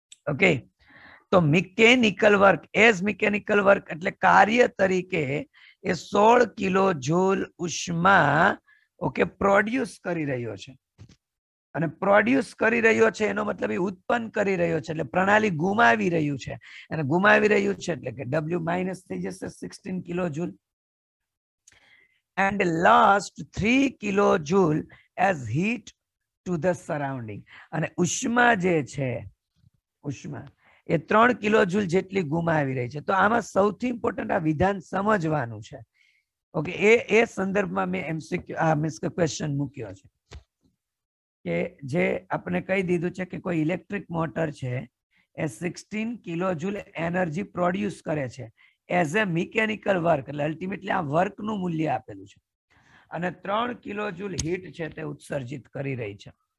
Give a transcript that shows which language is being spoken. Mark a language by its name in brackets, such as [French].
[Gujarati] Okay, તો mechanical work, as mechanical work એટલે કાર્ય તરીકે એ 16 કિલોજુલ ઉષ્મા, ઓકે, પ્રોડ્યુસ કરી રહ્યો છે. અને પ્રોડ્યુસ કરી રહ્યો છે એનો મતલબ એ ઉત્પન્ન કરી રહ્યો છે, એટલે પ્રણાલી ગુમાવી રહ્યું છે, અને ગુમાવી રહ્યું છે એટલે કે ડબલ્યુ માઇનસ થઈ જશે 16 કિલોજુલ. [English] And last 3 kilojoule as heat to the surrounding. [Gujarati] અને ઉષ્મા જે છે, ઉષ્મા એ 3 kilojoule જેટલી ગુમાવી રહી છે. તો આમાં સૌથી ઇમ્પોર્ટન્ટ આ વિધાન સમજવાનું છે. ઓકે, એ સંદર્ભમાં મેં એમસીક્યુ આ મિસ્ક ક્વેશ્ચન મૂક્યો છે, કે જે આપણે કહી દીધું છે કે કોઈ ઇલેક્ટ્રિક મોટર છે એ 16 kilojoule એનર્જી પ્રોડ્યુસ કરે છે એઝ એ મિકેનિકલ વર્ક, એટલે અલ્ટિમેટલી આ વર્કનું મૂલ્ય આપેલું છે, અને 3 કિલોજુલ હીટ છે તે ઉત્સર્જિત કરી રહી છે.